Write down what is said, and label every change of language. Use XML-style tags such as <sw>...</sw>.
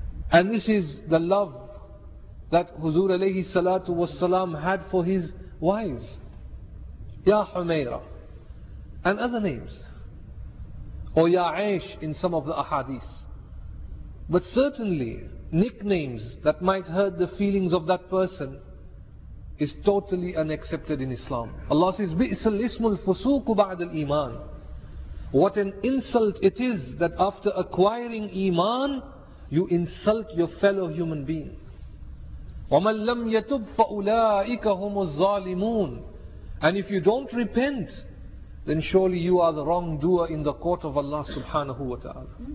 <en>And this is the love that Huzur alayhi salatu wa sallam had for his wives. Ya Humaira. And other names. Or Ya Aish in some of the ahadith. But certainly, nicknames that might hurt the feelings of that person is totally unaccepted in Islam. Allah says,</en> <ar>بِئِسَ الْإِسْمُ الْفُسُوقُ بَعْدَ الْإِيمَانِ.</ar> <en>What an insult it is that after acquiring Iman, you insult your fellow human being.</en> <ar>وَمَنْ لَمْ يَتُبْ فَأُولَٰئِكَ هُمُ الظَّالِمُونَ.</ar> <en>And if you don't repent, then surely you are the wrongdoer in the court of Allah subhanahu wa ta'ala.</en>